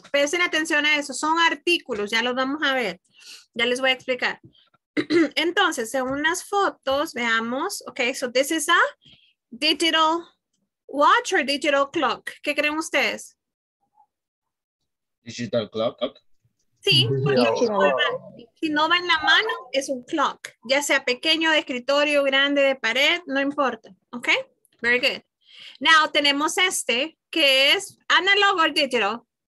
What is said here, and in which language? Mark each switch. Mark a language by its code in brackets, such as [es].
[es] Presten atención a eso, son artículos, ya los vamos a ver. Ya les voy a explicar. Entonces, según las fotos, veamos. [en] Okay, so this is a digital watch or digital clock. [es] ¿Qué creen ustedes? [en] Digital clock. Okay. [es] Sí, porque si no va en la mano, es un clock. Ya sea pequeño, de escritorio, grande, de pared, no importa. ¿Ok? [en] Very good. [es] Now, tenemos este, que es [en] analog or digital. Analog.